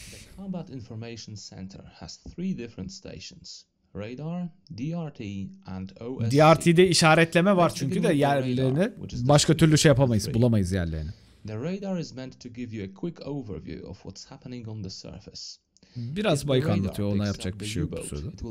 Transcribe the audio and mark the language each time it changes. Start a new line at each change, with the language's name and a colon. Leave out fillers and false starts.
English: The Combat Information Center has three different stations. Radar, DRT and OSC.
Turkish: DRT'de işaretleme var çünkü de yerlerini başka türlü şey yapamayız, bulamayız yerlerini.
English: The radar is meant to give you a quick overview of what's happening on the surface.
Turkish: Biraz bayık anlatıyor, ona yapacak bir şey yok bu sırada.